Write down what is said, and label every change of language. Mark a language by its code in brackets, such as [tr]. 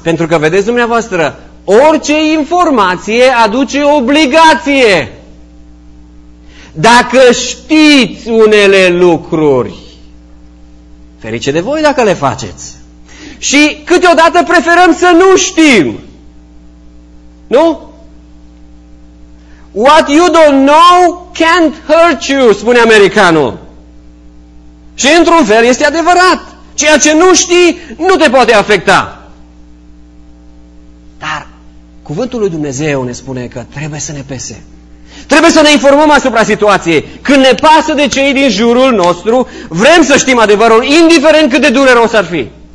[ro] Pentru că, vedeți dumneavoastră, orice informație aduce obligație. Dacă știți unele lucruri, ferice de voi dacă le faceți. Și câteodată preferăm să nu știm. Nu? [en] What you don't know can't hurt you, [ro] spune americanul. Și într-un fel este adevărat. Ceea ce nu știi nu te poate afecta. Dar cuvântul lui Dumnezeu ne spune că trebuie să ne pese. Trebuie să ne informăm asupra situației. Când ne pasă de cei din jurul nostru, vrem să știm adevărul, indiferent cât de dureros ar fi.